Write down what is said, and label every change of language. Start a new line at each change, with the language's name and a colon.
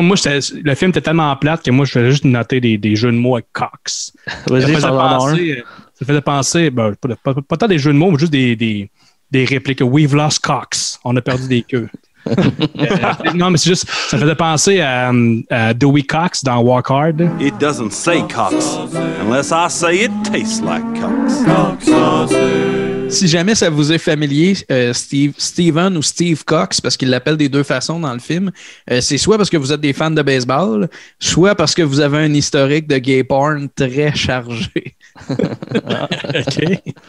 French: Moi, le film était tellement plate que moi, je voulais juste noter des jeux de mots avec Cox. Ça faisait penser, pas tant des jeux de mots, mais juste des répliques.
English: We've lost Cox.
French: On a perdu des queues. non, mais c'est juste, ça faisait penser à Dewey Cox dans Walk Hard.
English: It doesn't say Cox, unless I say it tastes like Cox.
French: Si jamais ça vous est familier, Steven ou Steve Cox, parce qu'il l'appelle des deux façons dans le film, c'est soit parce que vous êtes des fans de baseball, soit parce que vous avez un historique de gay porn très chargé. OK.